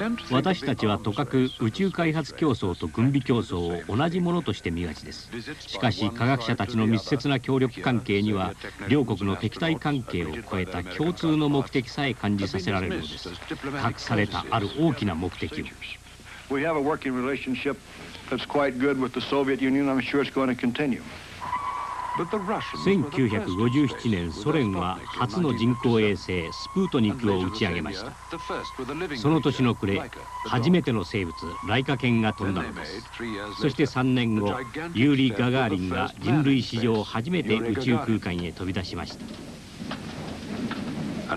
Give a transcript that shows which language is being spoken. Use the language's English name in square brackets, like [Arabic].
[Japanese] 私たちはとかく宇宙開発競争と軍備競争を同じものとして見がちです。しかし科学者たちの密接な協力関係には、両国の敵対関係を超えた共通の目的さえ感じさせられるのです。隠されたある大きな目的を。 [English] We have a working relationship that's quite good with the Soviet Union. I'm sure it's going to continue. But the Russians. [Japanese] 1957年、ソ連は初の人工衛星スプートニクを打ち上げました。その年の暮れ、初めての生物ライカ犬が飛んだのです。そして3年後、ユーリ・ガガーリンが人類史上初めて宇宙空間へ飛び出しました。